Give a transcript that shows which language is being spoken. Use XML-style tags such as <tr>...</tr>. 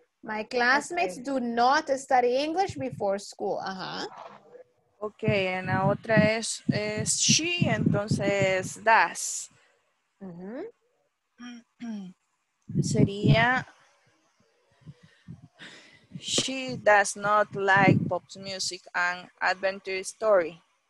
<en>My classmates do not study English before school. Ajá.</en> <es>Ok, en la otra es she, entonces does. Mm-hmm. Sería</es> <en>she does not like pop music and adventure story.</en>